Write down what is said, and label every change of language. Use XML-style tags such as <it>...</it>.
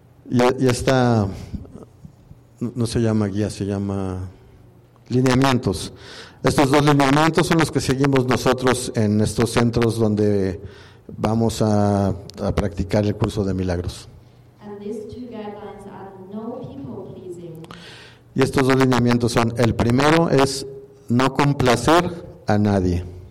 <es>Y esta no se llama guía, se llama lineamientos. Estos dos lineamientos son los que seguimos nosotros en estos centros donde vamos a practicar el curso de milagros.</es> <en>And these two guidelines are no people-pleasing.</en> <es>Y estos dos lineamientos son, el primero es no complacer a nadie.</es>